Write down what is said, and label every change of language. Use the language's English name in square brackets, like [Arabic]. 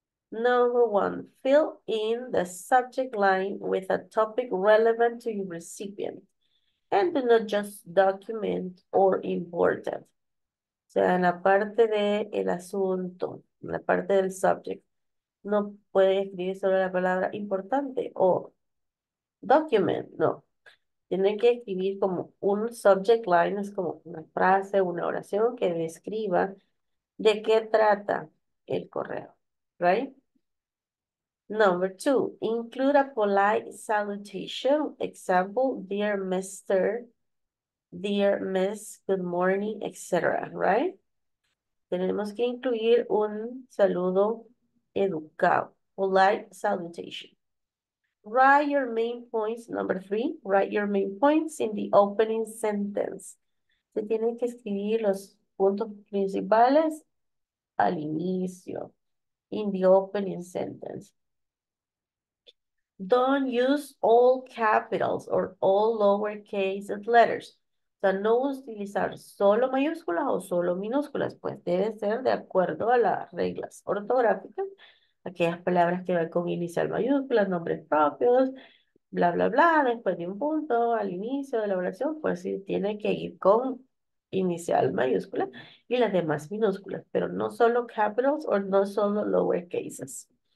[English] Number one, fill in the subject line with a topic relevant to your recipient and do not just document or important. [Spanish] O sea, en la parte del asunto, en la parte del subject, no puede escribir solo la palabra importante o document, no. Tiene que escribir como un subject line, es como una frase, una oración que describa de qué trata el correo, [English] right? Number two, include a polite salutation, example, dear Mr. Dear Miss, good morning, etc. Right? [Spanish] Tenemos que incluir un saludo educado. [English] Polite salutation. Write your main points. Number three, write your main points in the opening sentence. [Spanish] Se tienen que escribir los puntos principales al inicio. [English] In the opening sentence. Don't use all capitals or all lowercase letters. [Spanish] O sea, no utilizar solo mayúsculas o solo minúsculas, pues debe ser de acuerdo a las reglas ortográficas, aquellas palabras que van con inicial mayúsculas, nombres propios, bla, bla, bla, después de un punto, al inicio de la oración, pues sí, tiene que ir con inicial mayúscula y las demás minúsculas, pero no solo capitals o no solo lowercases.